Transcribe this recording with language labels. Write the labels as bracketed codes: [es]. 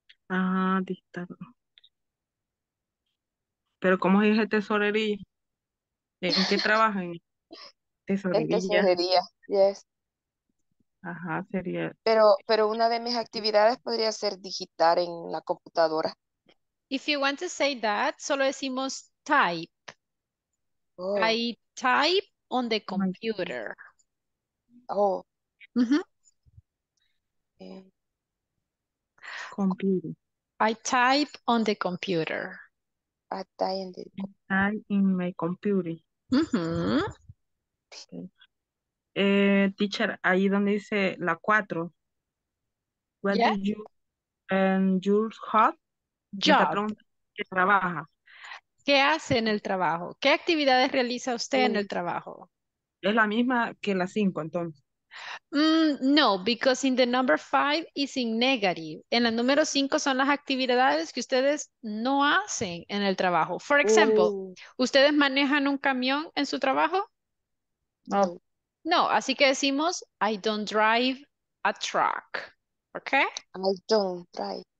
[es] Ah, digital. Pero ¿cómo dice tesorería? ¿En qué trabaja? En tesorería, yes. Ajá, sería. Pero una de mis actividades podría ser digitar en la computadora. [en] If you want to say that, [es] solo decimos [en] type. Oh. I type on the computer. Oh. Mm-hmm. Computer. I type on the computer. I type in the computer. I in my computer. Mm-hmm. [es] Teacher, ahí donde dice la cuatro. [en] What yeah. Did you and Jules Hot? Job. [es] Que trabaja. ¿Qué hace en el trabajo? ¿Qué actividades realiza usted en el trabajo? Es la misma que la cinco, entonces. [en] No, because in the number five is in negative. [es] En la número cinco son las actividades que ustedes no hacen en el trabajo. [en] For example, [es] ¿ustedes manejan un camión en su trabajo? No. No, así que decimos, [en] I don't drive a truck. Okay? I don't drive.